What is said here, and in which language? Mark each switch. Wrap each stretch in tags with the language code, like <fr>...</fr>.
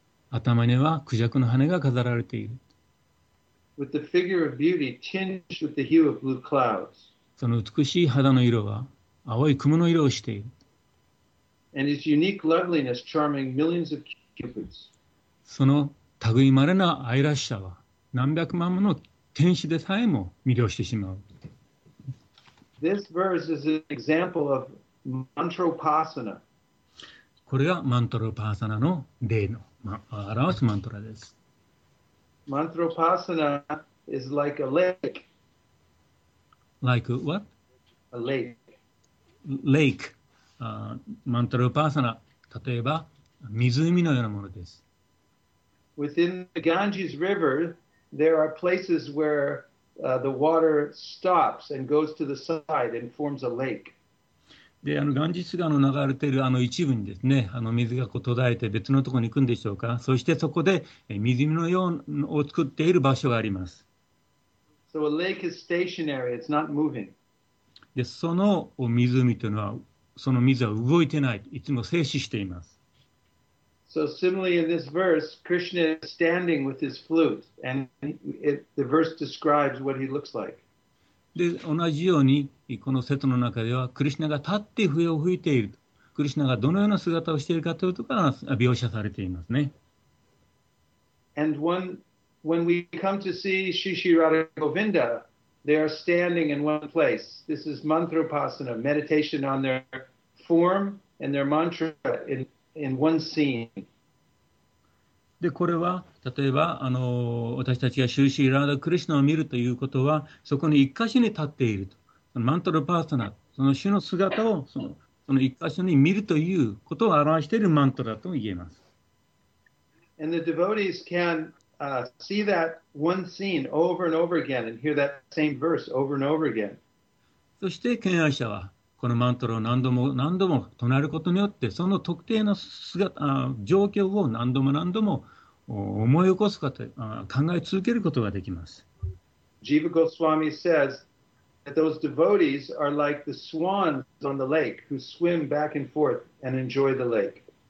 <ja>頭にはクジャクの羽が飾られている。</ja> <en>with the figure of beauty tinged with the hue of blue clouds.</en> <ja>その美しい肌の色は青い雲の色をしている。</ja> <en>and its unique loveliness charming millions of cupids.</en> <ja>その類まれな愛らしさは何百万もの天使でさえも魅了してしまう。</ja> <en>This verse is an example of mantropasana.</en> <ja>これがマントロパーサナの例の、表すマントラです。</ja> <en>Mantropasana is like a lake. Like what? A lake. Lake.</en> <ja>マントロパーサナ、例えば湖のようなものです。</ja> <en>Within the Ganges River,There are places where the water stops and goes to the side and forms a lake.</en> <ja>で、あのガンジス川の流れているあの一部にですね、あの水がこう途絶えて別のところに行くんでしょうか。そしてそこで湖のようを作っている場所があります。</ja> <en>So a lake is stationary, it's not moving.</en> <ja>で、その湖というのは、その水は動いてない、いつも静止しています。</ja> <en>So similarly in this verse, Krishna is standing with his flute, and the verse describes what he looks like.</en> <ja>で、同じように、この説の中では、クリシナが立って笛を吹いている。クリシナがどのような姿をしているかというところが描写されていますね。</ja> <en>And when we come to see Sri Sri Radha Govinda, they are standing in one place. This is mantropasana, meditation on their form and their mantra in one scene.</en> <ja>で、これは例えば私たちがシュシーラダクリシナを見るということは、そこに一箇所に立っていると、そのマントラパーサナ、その主の姿をその一箇所に見るということを表しているマントラと言えます。</ja> <en>And the devotees can see that one scene over and over again and hear that same verse over and over again.</en> <ja>そして敬愛者はこのマントラを何度も何度も唱えることによって、その特定の状況を何度も何度も思い起こすかと考え続けることができます。</ja> <en>Jiva Goswami says that those devotees are like the swans on the lake who swim back and forth and enjoy the lake.</en>